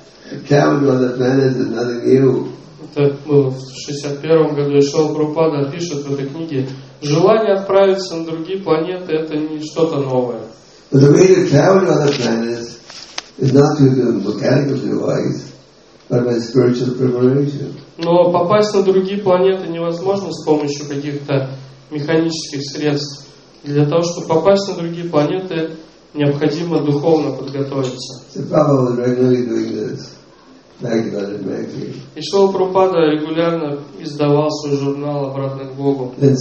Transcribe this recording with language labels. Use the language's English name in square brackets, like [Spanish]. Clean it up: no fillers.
[Russian] Это было в 61 году. И Шрила Прабхупада пишет в этой книге: желание отправиться на другие планеты — это не что-то новое. [English] But the way to travel to other planets is not through the mechanical device, but by spiritual preparation. [Russian] Но попасть на другие планеты невозможно с помощью каких-то механических средств. Для того, чтобы попасть на другие планеты, необходимо духовно подготовиться. И Шрила Прабхупада регулярно издавал свой журнал «Обратно к Богу».